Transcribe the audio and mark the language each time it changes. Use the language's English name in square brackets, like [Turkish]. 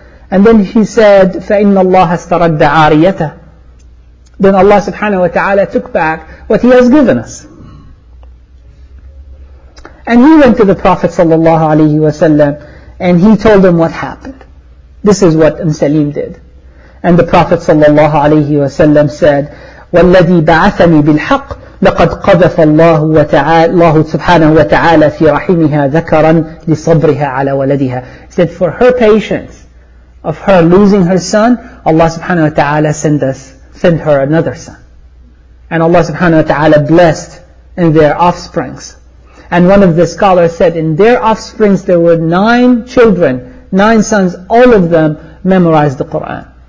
[English] And then he said, [Arabic] فَإِنَّ اللَّهَ اسْتَرَدَّ عَارِيَتَهُ. [English] Then Allah subhanahu wa ta'ala took back what he has given us. And he went to the Prophet sallallahu alayhi wa sallam, and he told him what happened. This is what Ummu Salim did. And the Prophet sallallahu alayhi wa sallam said, [Arabic] وَالَّذِي بَعَثَنِي بِالْحَقِّ لَقَدْ قَذَفَ اللَّهُ سُبْحَانَهُ وَتَعَالَى فِي رَحِيمِهَا ذَكَرًا لِصَبْرِهَا عَلَى وَلَدِهَا. [English] He said, for her patience of her losing her son, Allah subhanahu wa ta'ala send her another son. and Allah subhanahu wa ta'ala blessed in their offsprings. And one of the scholars said, in their offsprings there were 9 children, 9 sons, all of them memorized the Qur'an.